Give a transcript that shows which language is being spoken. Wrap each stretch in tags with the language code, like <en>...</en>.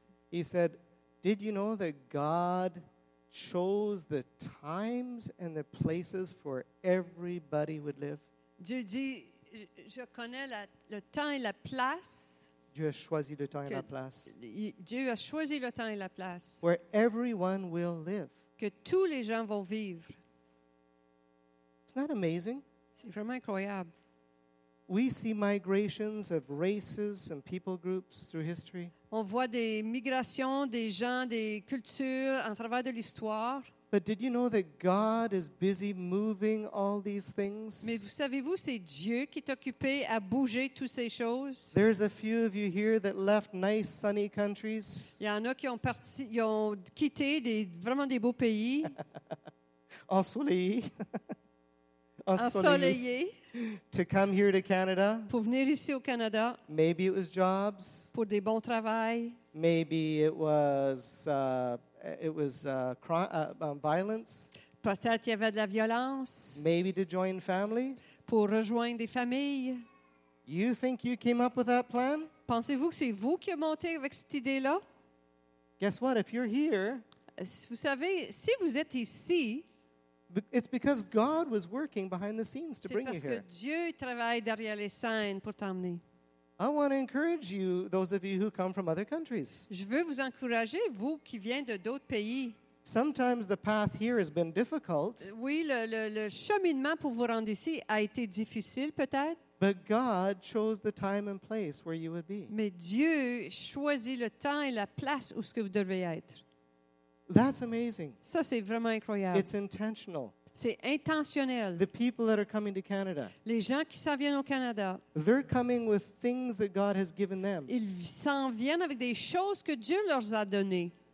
<en>He said, did you know that God chose the times and the places for everybody would live?</en> <fr>Dieu dit, je connais le temps et la place. Dieu a choisi le temps et la place. Dieu a choisi le temps et la place.</fr> <en>Where everyone will live.</en> <fr>Que tous les gens vont vivre.</fr> <en>Isn't that amazing?</en> <fr>C'est vraiment incroyable.</fr> <en>We see migrations of races and people groups through history.</en> <fr>On voit des migrations des gens, des cultures à travers de l'histoire.</fr> <en>But did you know that God is busy moving all these things?</en> <fr>Mais vous savez-vous, c'est Dieu qui est occupé à bouger toutes ces choses.</fr> <en>There's a few of you here that left nice sunny countries.</en> <fr>Il y en a qui ont parti, ils ont quitté vraiment des beaux pays. Ensoleillés. Ensoleillé.</fr> <en>To come here to Canada.</en> <fr>Pour venir ici au Canada.</fr> <en>Maybe it was jobs.</en> <fr>Pour des bons travails.</fr> <en>Maybe it was violence.</en> <fr>Peut-être il y avait de la violence.</fr> <en>Maybe to join family.</en> <fr>Pour rejoindre des familles.</fr> <en>You think you came up with that plan?</en> <fr>Pensez-vous que c'est vous qui avez monté avec cette idée-là?</fr> <en>Guess what? If you're here.</en> <fr>Vous savez, si vous êtes ici.</fr> <en>It's because God was working behind the scenes to bring you here.</en> <fr>C'est parce que Dieu travaille derrière les scènes pour t'amener.</fr> <en>I want to encourage you, those of you who come from other countries.</en> <fr>Je veux vous encourager, vous qui venez de d'autres pays.</fr> <en>Sometimes the path here has been difficult.</en> <fr>Oui, le cheminement pour vous rendre ici a été difficile, peut-être.</fr> <en>But God chose the time and place where you would be.</en> <fr>Mais Dieu choisit le temps et la place où ce que vous devriez être.</fr> <en>That's amazing.</en> <fr>Ça, c'est vraiment incroyable.</fr> <en>It's intentional.</en> <fr>C'est intentionnel.</fr> <en>The people that are coming to Canada.</en> <fr>Les gens qui s'en viennent au Canada.</fr> <en>They're coming with things that God has given them.</en> <fr>Ils s'en viennent avec des choses que Dieu leur a données.</fr>